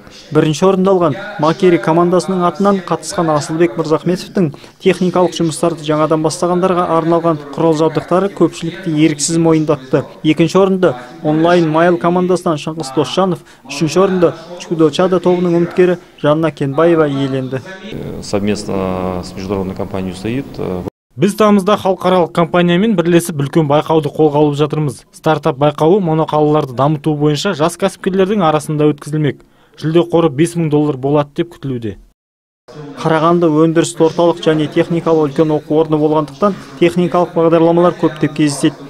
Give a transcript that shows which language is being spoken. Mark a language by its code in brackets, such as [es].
[kk] Бірінші орында алған Макери командасының атынан қатысқан Асылбек Мырзахметовтің техникалық жұмыстарды жаңадан бастағандарға арналған құрал жабдықтары көпшілікті еріксіз мойындатты. Екінші орында онлайн майл командасынан Шыңғыс Досжанов, үшінші орында Чудо Чада тобының үміткері Жанна Кенбаева иеленді. [ru] Совместно с международной компанией стоит. [kk] Біз тамызда халықаралық компаниямен бірлесіп үлкен байқауды қолға алып жатырмыз. Стартап байқауы моноқалаларды дамыту бойынша жас кәсіпкерлердің арасында өткізілмек. Жүлде қоры 5000 доллар болады деп күтілуде. Қарағанды өндіріс орталық және техникалық үлкен оқу орны болғандықтан техникалық бағдарламалар көптеп кездеседі.